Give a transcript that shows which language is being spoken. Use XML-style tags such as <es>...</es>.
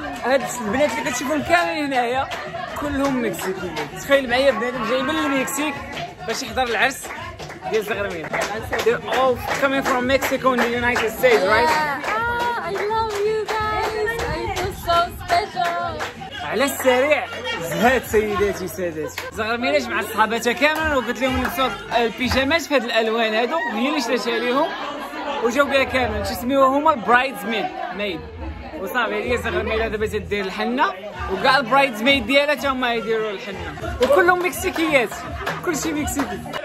<ar>البنات اللي كتشوفهم كاملين هنايا كلهم مكسيكيين. تخيل معايا بنادم جاي من المكسيك باش يحضر العرس ديال زغرميلة.</ar> <en>They're all coming from Mexico in the United States, yeah. Right? Oh, I love you guys. I feel so special.</en> <ar>على السريع زهات سيداتي وسادات زغرميلة جمع صحاباتها كاملين وقلت لهم لبسوا البيجامات في هذه الالوان هادو هي اللي شريتها ليهم وجاو بها كاملين. شو سميوها هما برايدز مين ميد. وصافي هي زغرميلة دابا تدير الحنة وكاع البرايدز ميد ديالها تا هما يديروا الحنة وكلهم مكسيكيات كلشي مكسيكي.</ar>